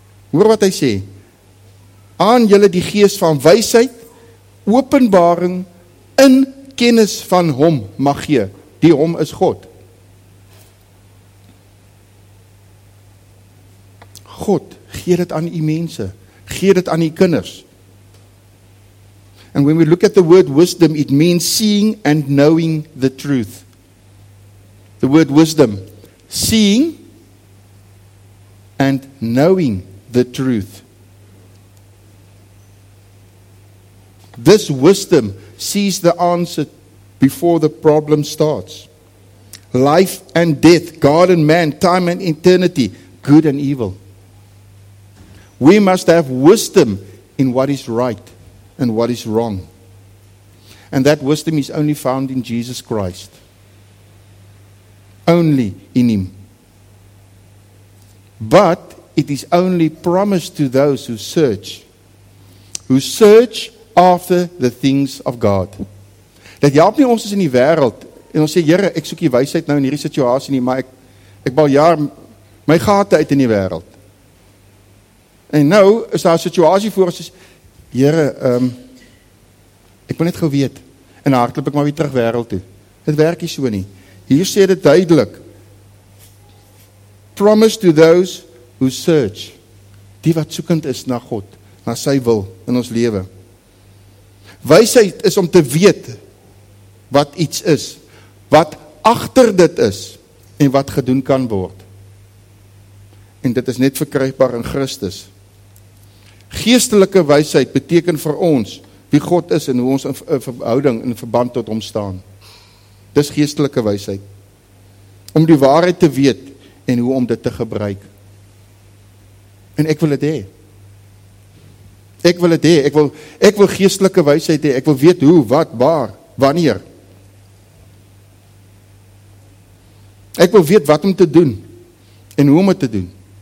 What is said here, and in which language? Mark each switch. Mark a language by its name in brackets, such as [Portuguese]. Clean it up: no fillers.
[Afrikaans] Hoor wat hy sê. Aan julle die gees van wysheid, openbaring in kennis van hom mag gee. Die hom is God. God gee dit aan u mense, gee dit aan u kinders. [English] And when we look at the word wisdom, it means seeing and knowing the truth. The word wisdom, seeing and knowing the truth. This wisdom sees the answer before the problem starts. Life and death, God and man, time and eternity, good and evil. We must have wisdom in what is right and what is wrong. And that wisdom is only found in Jesus Christ. Only in Him. But it is only promised to those who search. Who search after the things of God. [Afrikaans] Dit help nie ons is in die wêreld en ons sê, Here, ek soek die wysheid nou in hierdie situasie nie, maar ek bal jaar my gate uit in die wêreld. En nou is daar 'n situasie voor ons, Here, ek wil net gou weet, en hardloop ek maar weer terug wêreld toe. Dit werk nie so nie. Hier sê dit duidelik, promise to those who search, die wat soekend is na God, na sy wil in ons lewe. Wysheid is om te weet wat iets is, wat agter dit is, en wat gedoen kan word. En dit is net verkrygbaar in Christus. Geestelike wysheid beteken vir ons wie God is en hoe ons in verhouding en verband tot hom staan. Dis geestelike wysheid. Om die waarheid te weet en hoe om dit te gebruik. En ek wil dit hê. Ek wil dit hê. Ek wil geestelike wysheid hê. Ek wil weet hoe, wat, waar, wanneer. Ek wil weet wat om te doen en hoe om dit te doen.